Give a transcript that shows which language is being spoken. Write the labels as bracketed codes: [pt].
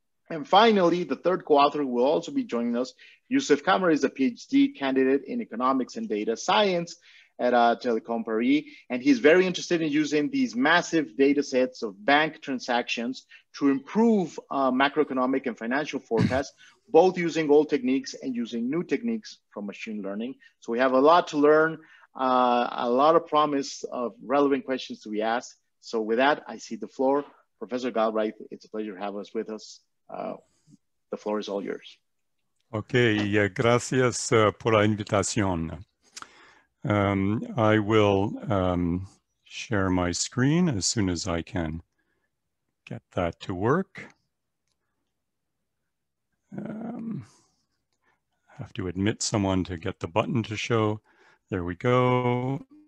[en] And finally, the third co-author who will also be joining us, Youssouf Camara, is a PhD candidate in economics and data science at Telecom Paris, and he's very interested in using these massive data sets of bank transactions to improve macroeconomic and financial forecasts, both using old techniques and using new techniques from machine learning. So we have a lot to learn, a lot of promise of relevant questions to be asked. So with that, I cede the floor. Professor Galbraith, it's a pleasure to have us with us. The floor is all yours. [es] Okay, gracias por la invitación. [en] I will share my screen as soon as I can get that to work. Have to admit someone to get the button to show. There we go.